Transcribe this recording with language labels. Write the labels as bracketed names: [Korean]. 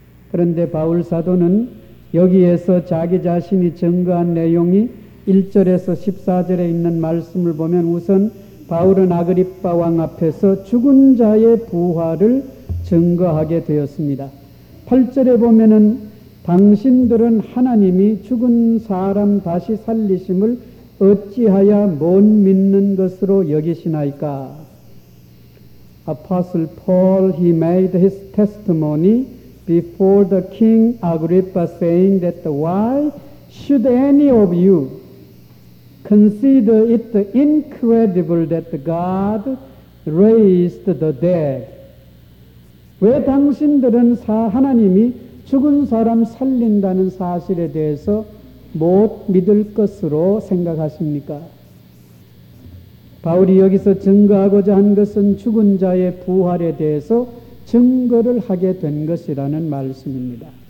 [Korean] 그런데 바울 사도는 여기에서 자기 자신이 증거한 내용이 1절에서 14절에 있는 말씀을 보면 우선 바울은 아그립바 왕 앞에서 죽은 자의 부활을 증거하게 되었습니다. 8절에 보면은 당신들은 하나님이 죽은 사람 다시 살리심을 어찌하여 못 믿는 것으로 여기시나이까? [English] Apostle Paul, he made his testimony before the King Agrippa saying that why should any of you consider it incredible that God raised the dead? [Korean] 왜 당신들은 하나님이 죽은 사람 살린다는 사실에 대해서 못 믿을 것으로 생각하십니까? 바울이 여기서 증거하고자 한 것은 죽은 자의 부활에 대해서 증거를 하게 된 것이라는 말씀입니다.